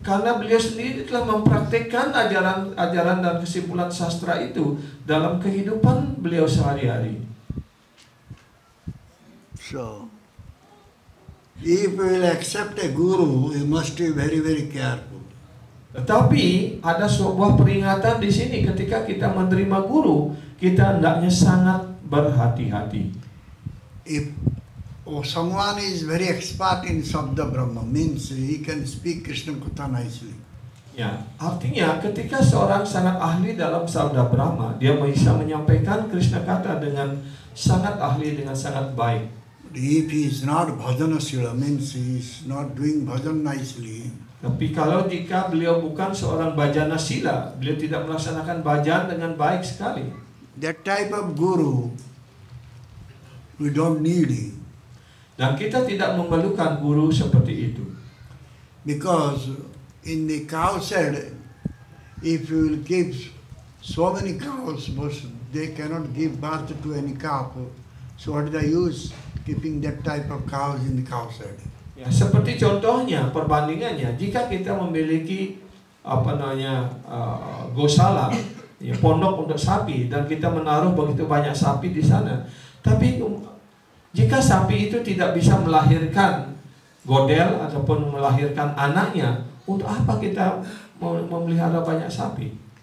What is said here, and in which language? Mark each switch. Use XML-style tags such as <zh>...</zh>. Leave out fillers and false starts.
<id>Karena beliau sendiri telah mempraktikkan ajaran-ajaran dan kesimpulan sastra itu dalam kehidupan beliau sehari-hari.</id> <en>So, if you will accept a guru, you must be very, very careful.</en> <id>Tetapi ada sebuah peringatan di sini ketika kita menerima guru, kita hendaknya sangat berhati-hati.</id> <en>If someone is very expert in Sabda Brahma, means he can speak Krishna Katha nicely.</en> <id>Ya, artinya ketika seorang sangat ahli dalam Sabda Brahma, dia bisa menyampaikan Krishna Katha dengan sangat ahli, dengan sangat baik.</id> <en>If he is not bhajanasila, means he is not doing bhajan nicely.</en> <id>Tapi kalau jika beliau bukan seorang bhajanasila, beliau tidak melaksanakan bhajan dengan baik sekali.</id> <en>That type of guru, we don't need him.</en> <id>Dan kita tidak memerlukan guru seperti itu.</id> <en>Because in the cow shed, if you will keep so many cows, but they cannot give birth to any calf, so what is the use keeping that type of cows in the cow shed?</en> <id>Ya, seperti contohnya, perbandingannya, jika kita memiliki apa namanya gosala, ya, pondok untuk sapi, dan kita menaruh begitu banyak sapi di sana, tapi jika sapi itu tidak bisa melahirkan godel ataupun melahirkan anaknya, untuk apa kita memelihara banyak sapi?</id>